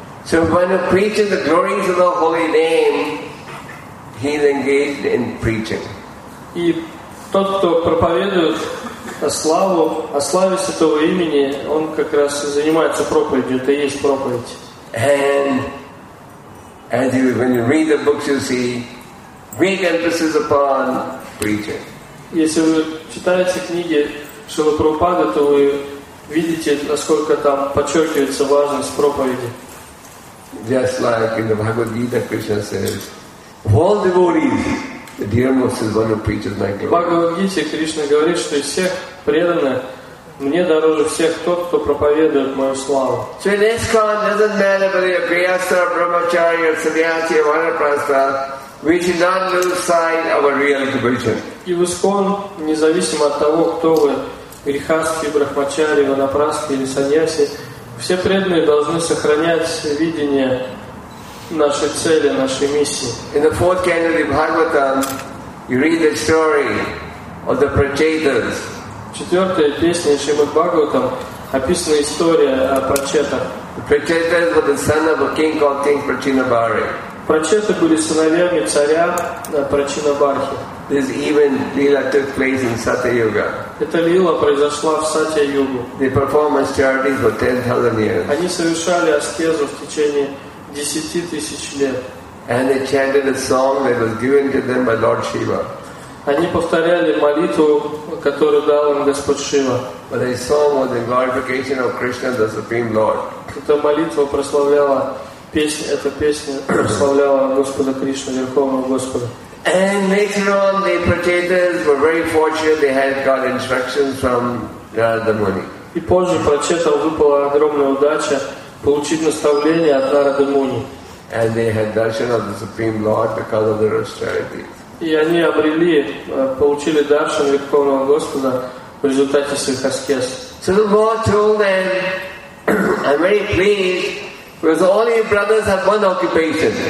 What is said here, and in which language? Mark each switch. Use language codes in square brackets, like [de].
[en] So when a preacher the glories of the holy name, he's engaged in preaching. [ru] И тот, кто проповедует славу, о славе Святого Имени, он как раз и занимается проповедью, это и есть проповедь. [en] And as you, when you read the books, you see great emphasis upon preaching. [ru] Если вы читаете книги Шрилы Прабхупады, то вы видите, насколько там подчеркивается важность проповеди. [en] Just like in the Bhagavad Gita, Krishna says, "All devotees, the dear most is one who preaches my glory." [ru] В Бхагавад Гите Кришна говорит, что из всех преданных мне дороже всех тот, кто проповедует мою славу. [en] So in ISKCON, doesn't matter whether you're Grihastha, Brahmacharya, Sannyasi, Vanaprastha, we should not lose sight of a real devotion. [ru] И в ISKCON, независимо от того, кто вы, Грихастхи, Брахмачари, Ванапрастхи или Саньяси, все преданные должны сохранять видение нашей цели, нашей миссии. [en] In the fourth canon of Bhagavatam, you read the story of the Prachetas. [ru] В четвертой песне Шримад Бхагаватам описана история о Прачетах. [en] The Prachetas were the son of a king called King Prachinabari. [ru] Прачеты были сыновьями царя Прачинабархи. [en] This even lila took place in Satya Yuga. [ru] Эта лила произошла в Сатья Югу. [en] They performed austerities for 10,000 years. [ru] Они совершали аскезу в течение 10,000 лет. [en] And they chanted a song that was given to them by Lord Shiva. [ru] Они повторяли молитву, которую дал им Господь Шива. [en] But their song was the glorification of Krishna, the Supreme Lord. [ru] Эта молитва прославляла песня, эта песня прославляла Господа Кришну, Верховного Господа. [en] And later on, the Prachetas were very fortunate. They had got instructions from Narada Muni. [ru] И позже Прачетам выпала огромная удача получить наставление от Нарады Муни. [en] And they had darshan of the Supreme Lord because of their austerity. [ru] И они обрели, получили даршан Верховного Господа в результате своих аскез. [en] So the Lord told them, "I'm very pleased because all your brothers have one occupation."